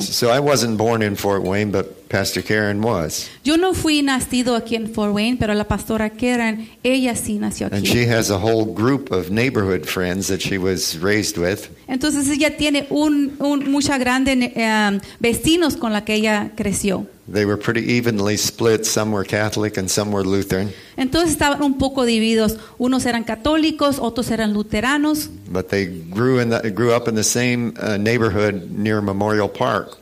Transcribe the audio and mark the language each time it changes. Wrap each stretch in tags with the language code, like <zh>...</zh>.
<en>So I wasn't born in Fort Wayne, but Pastor Karen was.</en> <es>Yo no fui nacido aquí en Fort Wayne, pero la pastora Karen, ella sí nació aquí.</es> <en>And she has a whole group of neighborhood friends that she was raised with.</en> <es>Entonces ella tiene un mucha grande vecinos con la que ella creció.</es> <en>They were pretty evenly split. Some were Catholic and some were Lutheran.</en> <es>Entonces estaban un poco divididos. Unos eran católicos, otros eran luteranos.</es> <en>But they grew up in the same neighborhood near Memorial Park.</en>